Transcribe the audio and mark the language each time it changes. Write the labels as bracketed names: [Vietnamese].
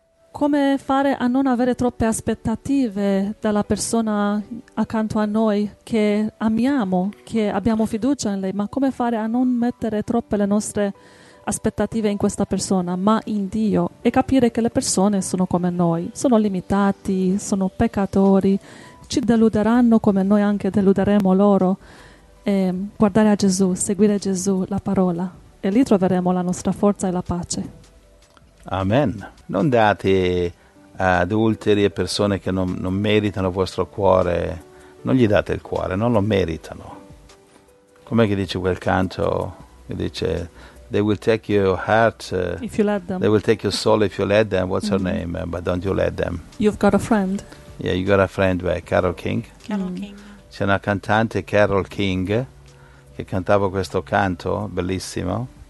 [Italian] Come fare a non avere troppe aspettative dalla persona accanto a noi che amiamo, che abbiamo fiducia in lei? Ma come fare a non mettere troppe le nostre aspettative in questa persona, ma in Dio, e capire che le persone sono come noi, sono limitati, sono peccatori, ci deluderanno come noi anche deluderemo loro, e guardare a Gesù, seguire Gesù, la parola, e lì troveremo la nostra forza e la pace. Amen. Non date adulteri e persone che non meritano il vostro cuore, non gli date il cuore, non lo meritano. Come che dice quel canto, che dice [English] They will take your heart if you let them. They will take your soul if you let them. What's her name? But don't you let them. You've got a friend. Yeah, you got a friend, right? Carole King. Carole King. [Italian] C'è una cantante, Carole King, che cantava questo canto bellissimo.